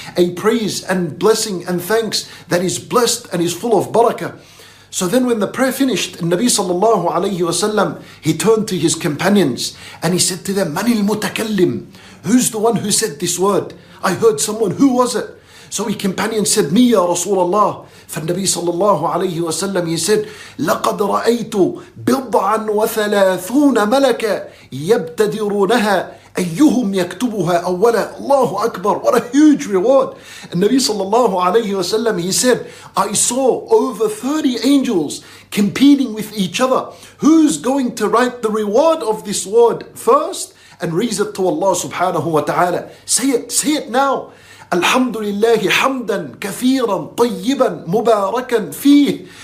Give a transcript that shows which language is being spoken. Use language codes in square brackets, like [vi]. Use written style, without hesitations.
[en] A praise and blessing and thanks that is blessed and is full of barakah. So then when the prayer finished, Nabi sallallahu alayhi wa sallam, he turned to his companions and he said to them, [ar] مَنِ الْمُتَكَلِّمِ. [en] Who's the one who said this word? I heard someone. Who was it? So his companion said, [ar] مِي يَا رَسُولَ اللَّهِ. فالنبي sallallahu alayhi wa sallam, [en] he said, [ar] لَقَدْ رَأَيْتُ بِضْعًا وَثَلَاثُونَ مَلَكَ يَبْتَدِرُونَهَا أَيُّهُمْ يَكْتُبُهَا أَوَّلًا. [en] Allahu Akbar, what a huge reward. And Nabi sallallahu alayhi wa sallam, he said, I saw over 30 angels competing with each other. Who's going to write the reward of this word first and raise it to Allah subhanahu wa ta'ala? Say it now. [ar] Alhamdulillahi hamdan kathiran tayyiban mubarakan fih.